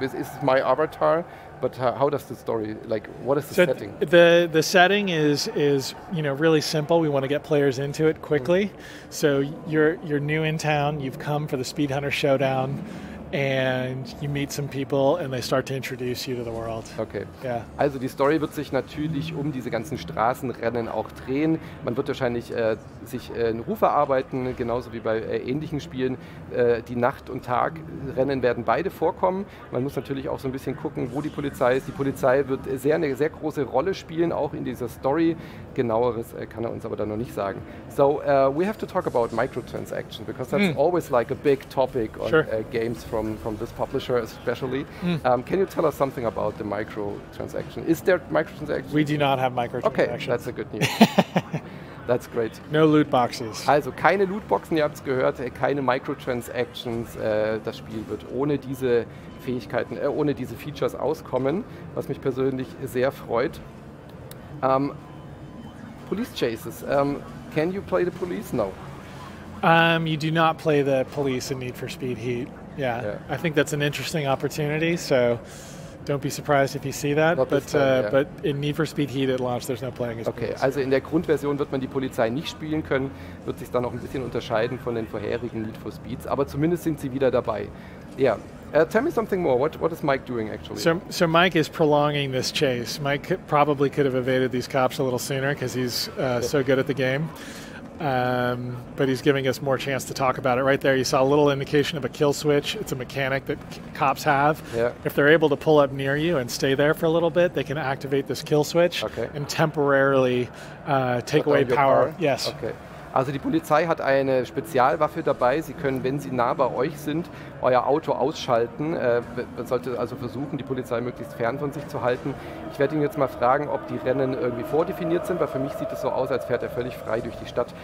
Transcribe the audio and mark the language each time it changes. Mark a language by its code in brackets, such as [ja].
[en] This is my avatar, but how does the story, like, what is the setting? The setting is you know, really simple. We want to get players into it quickly. Mm-hmm. So you're new in town, you've come for the Speed Hunter Showdown, and you meet some people and they start to introduce you to the world. Okay. Yeah. [de] Also die Story wird sich natürlich um diese ganzen Straßenrennen auch drehen. Man wird wahrscheinlich sich einen Ruf erarbeiten, genauso wie bei ähnlichen Spielen. Die Nacht- und Tagrennen werden beide vorkommen. Man muss natürlich auch so ein bisschen gucken, wo die Polizei ist. Die Polizei wird eine sehr große Rolle spielen, auch in dieser Story. Genaueres kann er uns aber dann noch nicht sagen. [en] So, we have to talk about microtransactions, because that's always like a big topic on games from this publisher especially. Can you tell us something about the microtransaction? Is there microtransactions? We do not have microtransactions. Okay, that's a good news. That's great. No loot boxes. [de] Also keine Lootboxen, ihr habt es gehört, keine Microtransactions. Das Spiel wird ohne diese Fähigkeiten, ohne diese Features auskommen, was mich persönlich sehr freut. [en] Police chases. Can you play the police? No. You do not play the police in Need for Speed Heat. Yeah. I think that's an interesting opportunity, so don't be surprised if you see that. But in Need for Speed Heat at launch, there's no playing as police. [de] Okay, also in der Grundversion wird man die Polizei nicht spielen können, wird sich dann noch ein bisschen unterscheiden von den vorherigen Need for Speeds, aber zumindest sind sie wieder dabei. [en] Yeah. Tell me something more. What is Mike doing, actually? So Mike is prolonging this chase. Mike probably could have evaded these cops a little sooner because he's so good at the game. But he's giving us more chance to talk about it. Right there, you saw a little indication of a kill switch. It's a mechanic that cops have. Yeah. If they're able to pull up near you and stay there for a little bit, they can activate this kill switch and temporarily take away power. Yes. [de] Okay. Also die Polizei hat eine Spezialwaffe dabei. Sie können, wenn sie nah bei euch sind, euer Auto ausschalten. Man sollte also versuchen, die Polizei möglichst fern von sich zu halten. Ich werde ihn jetzt mal fragen, ob die Rennen irgendwie vordefiniert sind, weil für mich sieht es so aus, als fährt er völlig frei durch die Stadt.